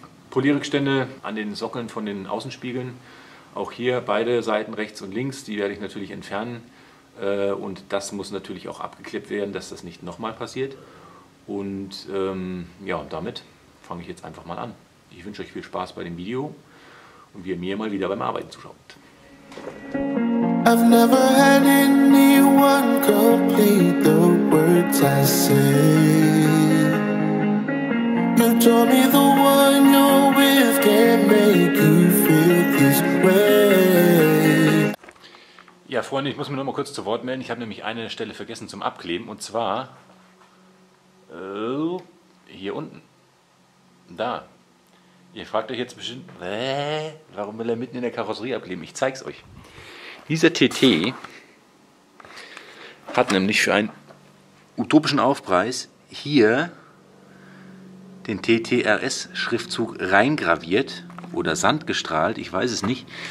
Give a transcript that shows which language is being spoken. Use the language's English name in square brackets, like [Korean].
[German] Polierrückstände an den Sockeln von den Außenspiegeln. Auch hier beide Seiten, rechts und links, die werde ich natürlich entfernen. Und das muss natürlich auch abgeklebt werden, dass das nicht nochmal passiert. Und ja, und damit fange ich jetzt einfach mal an. Ich wünsche euch viel Spaß bei dem Video und wie ihr mir mal wieder beim Arbeiten zuschaut. [English] I've never had anyone complete the words I say. You told me the one you're with can make you feel this way. [German] Ja, Freunde, ich muss mich noch mal kurz zu Wort melden. Ich habe nämlich eine Stelle vergessen zum Abkleben. Und zwar hier unten. Da. Ihr fragt euch jetzt bestimmt, warum will er mitten in der Karosserie abkleben? Ich zeige es euch. Dieser TT hat nämlich für einen utopischen Aufpreis hier den TT-RS-Schriftzug reingraviert oder sandgestrahlt. Ich weiß es nicht.